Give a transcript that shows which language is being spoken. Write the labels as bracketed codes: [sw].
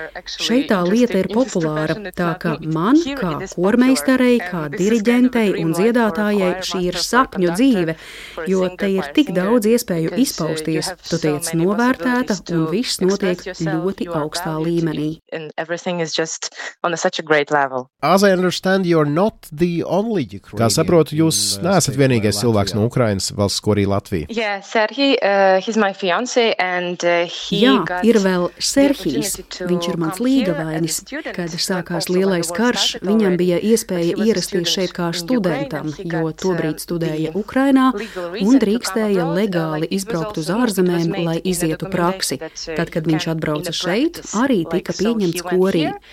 [lv] Šeit tā lieta ir populāra, tā ka man, kā kormeistarei, kā diriģentei un dziedātājai, šī ir sapņu dzīve, jo te ir tik daudz iespēju izpausties, tu tiec novērtēta un viss notiek ļoti augstā līmenī. [en] As I understand, you're not the only Ukrainian. [lv] Kā saprotu, jūs neesat vienīgais cilvēks, no Ukrainas valsts korī Latvija. [en] Yeah, Serhii, he's my fiance and he [lv] Jā, ir vēl Serhijs. Viņš ir mans līgavainis. Kad sākās lielais karš, viņam bija iespēja ierasties šeit kā studentam, jo tobrīd studēja Ukrainā un drīkstēja legāli izbraukt uz ārzemēm, lai izietu praksi. Tad, kad viņš atbrauca šeit, arī tika pieņemts korī.